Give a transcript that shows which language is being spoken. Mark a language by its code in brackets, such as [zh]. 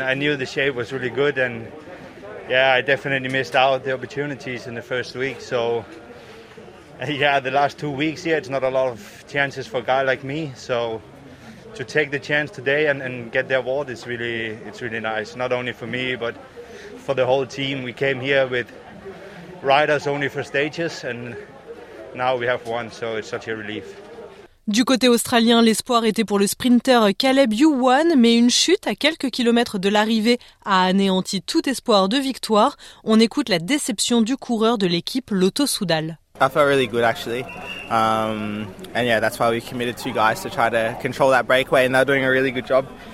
[en] I knew the shape was really good and yeah, I definitely missed out the opportunities in the first week, so yeah, the last 2 weeks here, it's not a lot of chances for a guy like me. So to take the chance today and get the award is really, it's really nice. Not only for me, but for the whole team. We came here with riders only for stages and now we have one. So it's such a relief. [fr] Du côté australien, l'espoir était pour le sprinter Caleb Ewan, mais une chute à quelques kilomètres de l'arrivée a anéanti tout espoir de victoire. On écoute la déception du coureur de l'équipe Lotto Soudal. [en] I felt really good actually, and yeah, that's why we committed two guys to try to control that breakaway, and they're doing a really good job.